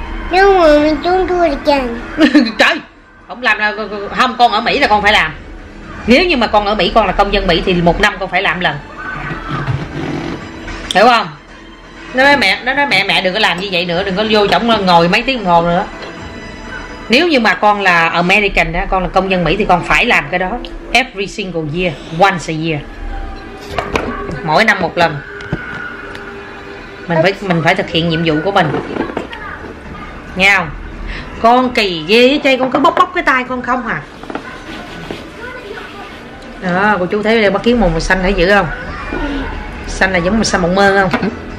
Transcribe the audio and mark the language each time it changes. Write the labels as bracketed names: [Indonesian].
[English] No, mommy, don't do it again. [Vietnamese] Trời, không làm nào. Không, con ở Mỹ là con phải làm. Nếu như mà con ở Mỹ, con là công dân Mỹ thì một năm con phải làm lần. Hiểu không? Nó nói mẹ đừng có làm như vậy nữa, đừng có vô chổng ngồi mấy tiếng đồng hồ nữa. Nếu như mà con là American, con là công dân Mỹ thì con phải làm cái đó. [English] Every single year, once a year. [Vietnamese] Mỗi năm một lần. Mình phải thực hiện nhiệm vụ của mình. Nghe không? Con kỳ ghê chứ chay, con cứ bóc bóc cái tay con không à. Đó, cô chú thấy đây bắt kiến màu xanh thấy dữ không? Xanh là giống màu xanh mộng mơ không?